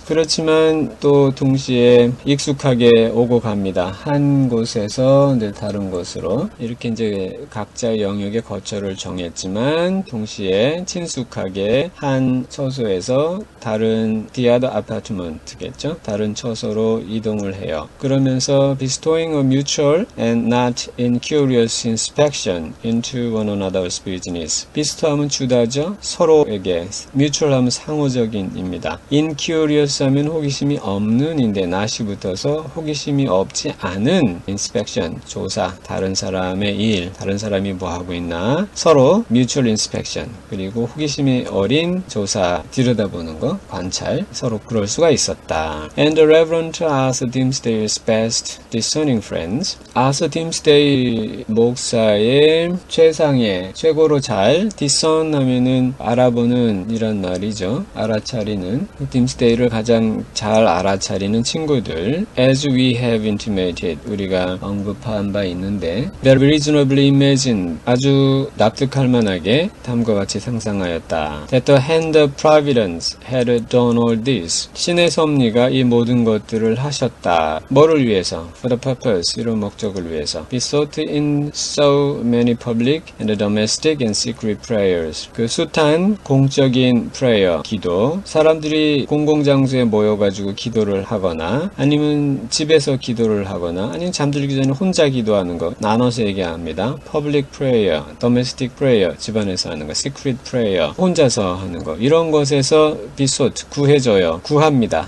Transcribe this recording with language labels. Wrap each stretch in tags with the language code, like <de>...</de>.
<ko>그렇지만 또 동시에 익숙하게 오고 갑니다. 한 곳에서 이제 다른 곳으로 이렇게 이제 각자의 영역의 거처를 정했지만 동시에 친숙하게 한 처소에서 다른</ko> <en>the other apartment</en> <ko>겠죠? 다른 처소로 이동을 해요. 그러면서</ko> <en>bestowing a mutual and not incurious inspection into one another's business.</en> <ko>bestow하면 주다죠. 서로에게 mutual 하면 상호적인입니다. incurious 하면 호기심이 없는인데 not이 붙어서 호기심이 없지 않은 inspection 조사 다른 사람의 일 다른 사람이 뭐 하고 있나 서로 mutual inspection 그리고 호기심이 어린 조사 들여다보는 거 관찰 서로 그럴 수가 있었다.</ko> <en>And the Reverend Arthur Dimmesdale's best discerning friends, Arthur Dimmesdale</en> <ko>목사의 최상의 최고로 잘 discern 하면은 알아보는 이런 말이죠. 알아차리는 딤스데일을 가장 잘 알아차리는 친구들,</ko> <en>as we have intimated,</en> <ko>우리가 언급한 바 있는데,</ko> <en>that reasonably imagine,</en> <ko>아주 납득할 만하게 다음과 같이 상상하였다.</ko> <en>That the hand of providence had done all this.</en> <ko>신의 섭리가 이 모든 것들을 하셨다. 뭐를 위해서?</ko> <en>For the purpose,</en> <ko>이런 목적을 위해서.</ko> <en>Besought in so many public and domestic and secret prayers.</en> <ko>그 숱한 공적인 prayer, 기도. 사람들이 공공장소에 모여 가지고 기도를 하거나 아니면 집에서 기도를 하거나 아니면 잠들기 전에 혼자 기도하는 거 나눠서 얘기합니다.</ko> <en>Public prayer, domestic prayer,</en> <ko>집안에서 하는 거,</ko> <en>secret prayer,</en> <ko>혼자서 하는 거 이런 것에서 besought, 구해줘요, 구합니다.</ko>